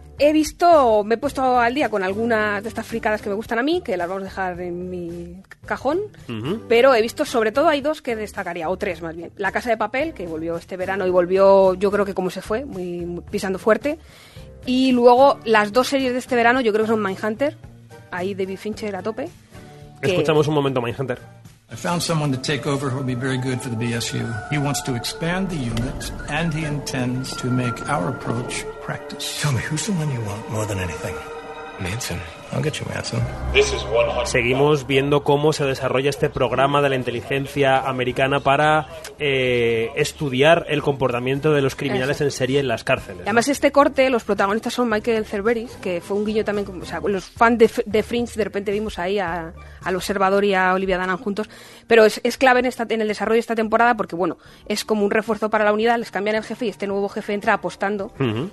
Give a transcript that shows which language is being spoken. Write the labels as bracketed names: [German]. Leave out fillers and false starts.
[Spanish] He visto, me he puesto al día con algunas de estas fricadas que me gustan a mí, que las vamos a dejar en mi cajón, pero he visto, sobre todo, hay dos que destacaría, o tres más bien. La Casa de Papel, que volvió este verano y volvió, yo creo que como se fue, muy pisando fuerte. Y luego las dos series de este verano, yo creo que son Mindhunter. Ahí David Fincher a tope. Escuchamos un momento Mindhunter. [English] I found someone to take over who will be very good for the BSU. He wants to expand the unit and he intends to make our approach practice. Tell me, who's the one you want more than anything? Manson. I'll get you Manson. This is 100%. [Spanish] Seguimos viendo cómo se desarrolla este programa de la inteligencia americana para estudiar el comportamiento de los criminales en serie en las cárceles. Y además, ¿no? Este corte, los protagonistas son Michael Cerveris, que fue un guiño también, o sea, los fans de Fringe, de repente vimos ahí al Observador y a Olivia Dunham juntos, pero es clave en el desarrollo de esta temporada porque, bueno, es como un refuerzo para la unidad, les cambian el jefe y este nuevo jefe entra apostando. Uh-huh.